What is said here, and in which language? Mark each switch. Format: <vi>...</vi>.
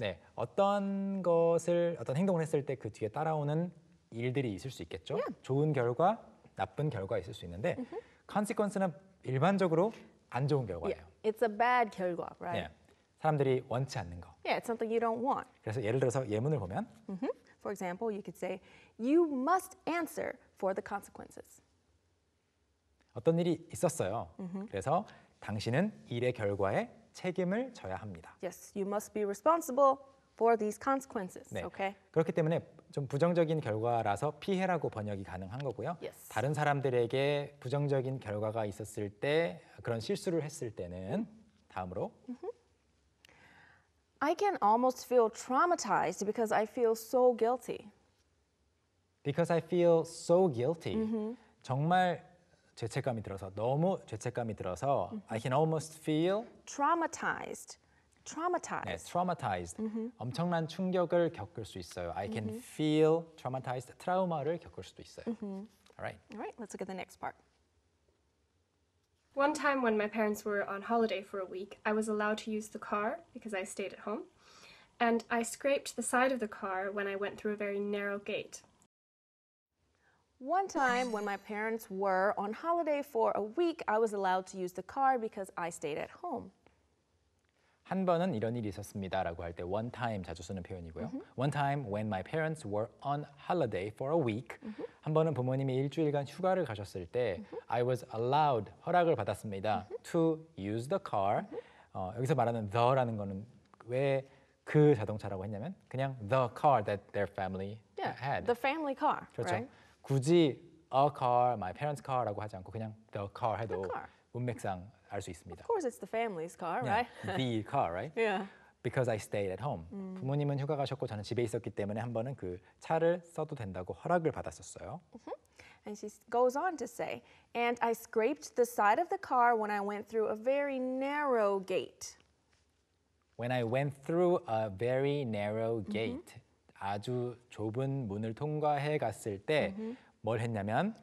<ko>네, 어떤 것을, 어떤 행동을 했을 때 그 뒤에 따라오는 일들이 있을 수 있겠죠.</ko> <en>Yeah.</en> <ko>좋은 결과, 나쁜 결과 있을 수 있는데 mm-hmm. consequence는 일반적으로 안 좋은 결과예요.</ko> <en>Yeah. It's a bad 결과, right?</en> <ko>네, 사람들이 원치 않는 거.</ko> <en>Yeah, it's something you don't want.</en> <ko>그래서 예를 들어서 예문을 보면 mm-hmm.</ko> <en>For example, you could say You must answer for the consequences.</en> <ko>어떤 일이 있었어요. Mm-hmm. 그래서 당신은 일의 결과에 책임을 져야 합니다.</ko> <en>Yes, you must be responsible for these consequences.</en> <ko>네.</ko> <en>Okay.</en> <ko>그렇기 때문에 좀 부정적인 결과라서 피해라고 번역이 가능한 거고요.</ko> <en>Yes.</en> <ko>다른 사람들에게 부정적인 결과가 있었을 때 그런 실수를 했을 때는 다음으로 mm-hmm.</ko> <en>I can almost feel traumatized because I feel so guilty. Because I feel so guilty. Mm-hmm.</en> <ko>정말 죄책감이 들어서 너무 죄책감이 들어서</ko> <en>I can almost feel traumatized. Traumatized. 네, traumatized. Mm-hmm.</en> <ko>엄청난 충격을 겪을 수 있어요.</ko> <en>I can mm-hmm. feel traumatized.</en> <ko>트라우마를 겪을 수도 있어요. Mm-hmm.</ko> <en>All right. All right. Let's look at the next part. One time when my parents were on holiday for a week, I was allowed to use the car because I stayed at home, and I scraped the side of the car when I went through a very narrow gate. One time when my parents were on holiday for a week, I was allowed to use the car because I stayed at home.</en> <ko>한 번은 이런 일이 있었습니다라고 할 때</ko> <en>one time</en> <ko>자주 쓰는 표현이고요. Mm-hmm.</ko> <en>One time when my parents were on holiday for a week. Mm-hmm.</en> <ko>한 번은 부모님이 일주일간 휴가를 가셨을 때 mm-hmm.</ko> <en>I was allowed</en> <ko>허락을 받았습니다. Mm-hmm.</ko> <en>to use the car. Mm-hmm.</en> <ko>여기서 말하는 the라는 거는 왜 그 자동차라고 했냐면 그냥</ko> <en>the car that their family yeah, had. The family car.</en> <ko>그렇죠?</ko> <en>Right?</en> <ko>굳이</ko> <en>a car, my parents' car</en> <ko>라고 하지 않고 그냥 the car 해도</ko> <en>the car.</en> <ko>문맥상 알 수 있습니다.</ko> <en>Of course it's the family's car, right? Yeah, the car, right? Yeah. Because I stayed at home.</en> <ko>부모님은 휴가 가셨고 저는 집에 있었기 때문에 한 번은 그 차를 써도 된다고 허락을 받았었어요. Mm-hmm.</ko> <en>And she goes on to say, and I scraped the side of the car when I went through a very narrow gate. When I went through a very narrow gate.</en> <ko>Mm-hmm. 아주 좁은 문을 통과해 갔을 때 mm-hmm. 뭘 했냐면</ko>